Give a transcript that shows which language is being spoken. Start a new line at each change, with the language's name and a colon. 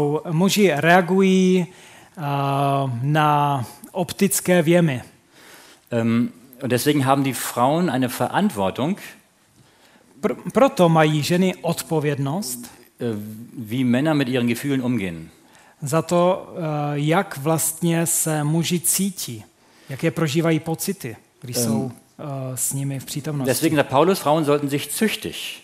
Czech: Muži reagují na optické věmy.
German: Und deswegen haben die Frauen eine Verantwortung.
Czech: Proto mají ženy odpovědnost.
German: Wie Männer mit ihren Gefühlen umgehen.
Czech: Za to, jak vlastně se muži cítí, jak je prožívají pocity, když jsou s nimi v přítomnosti.
German: Deswegen sagt Paulus, Frauen sollten sich züchtig.